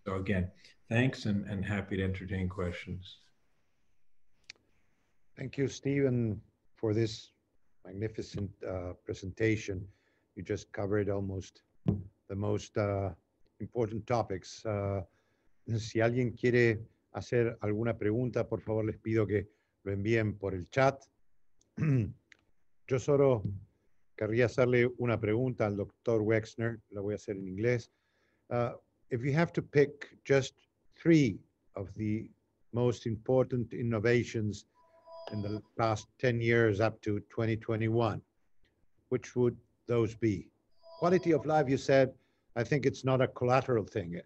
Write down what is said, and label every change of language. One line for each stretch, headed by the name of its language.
English: So again, thanks and happy to entertain questions. Thank you, Stephen, for this magnificent presentation. You just covered almost the most important topics.
Spanish: Si alguien quiere hacer alguna pregunta, por favor, les pido que lo envíen por el chat. Yo solo querría hacerle una pregunta al Dr. Wexner. La voy a hacer en inglés.
English: If you have to pick just three of the most important innovations in the past 10 years up to 2021, which would those be? Quality of life, you said, I think it's not a collateral thing.